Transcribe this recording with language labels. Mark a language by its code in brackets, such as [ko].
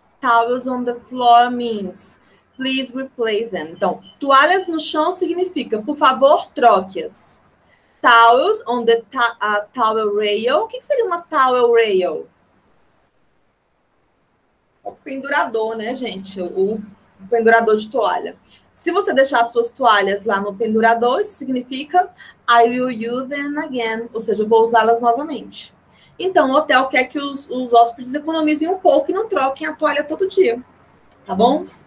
[en] Towels on the floor means please replace them. [pt] Então, toalhas no chão significa, por favor, troque-as. [en] Towels on the towel rail. [pt] O que seria uma towel rail? O pendurador, né, gente? O pendurador de toalha. Se você deixar as suas toalhas lá no pendurador, isso significa [en] I will use them again. [pt] Ou seja, eu vou usá-las novamente. Então, o hotel quer que os hóspedes economizem um pouco e não troquem a toalha todo dia. Tá bom?